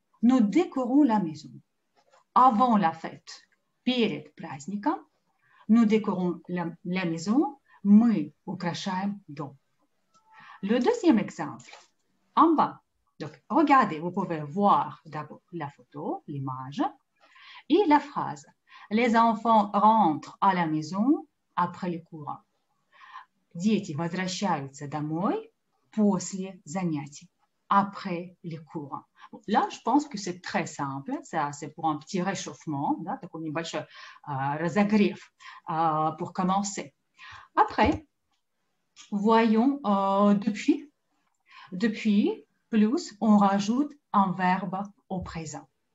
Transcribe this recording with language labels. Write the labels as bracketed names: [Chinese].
[French] Nous décorons la maison. Avant la fête, [Russian] перед праздником, [French] nous décorons la maison, [Russian] мы украшаем дом. [French] Le deuxième exemple, en bas. Donc, regardez, vous pouvez voir d'abord la photo, l'image, et la phrase. Les enfants rentrent à la maison après les cours. [Russian] Дети возвращаются домой после занятий. [French] Après les cours. Là, je pense que c'est très simple. Ça, c'est pour un petit réchauffement, là, donc une belle razagrif pour commencer. Après, voyons depuis. Depuis, plus, on rajoute un verbe au présent.